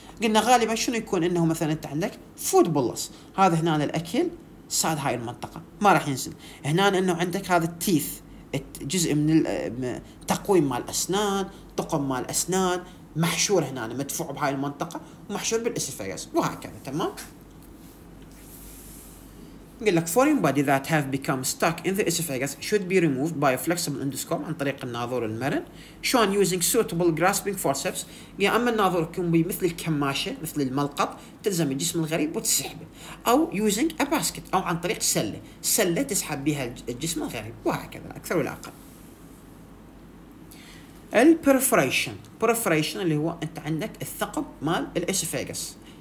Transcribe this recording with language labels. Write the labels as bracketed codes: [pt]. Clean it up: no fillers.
[ar] قلنا غالبا شنو يكون؟ انه مثلا انت عندك فود بولس، هذا هنا الاكل صاد هاي المنطقه ما راح ينزل. هنا انه عندك هذا التيث، جزء من تقويم مال الاسنان، طقم مال الاسنان محشور هنا مدفوع بهاي المنطقه ومحشور بالاسفنكس وهكذا. تمام، يقول لك [en] foreign body that have become stuck in the esophagus should be removed by a flexible endoscope [ar] عن طريق الناظور المرن [en] shown using suitable grasping forceps. [ar] يا أما الناظور يكون مثل الكماشة مثل الملقط تلزم الجسم الغريب وتسحبه، أو using a basket أو عن طريق سلة، سلة تسحب بها الجسم الغريب وهكذا أكثر ولا أقل. ال perforation، perforation اللي هو أنت عندك الثقب مال الإسفاجس.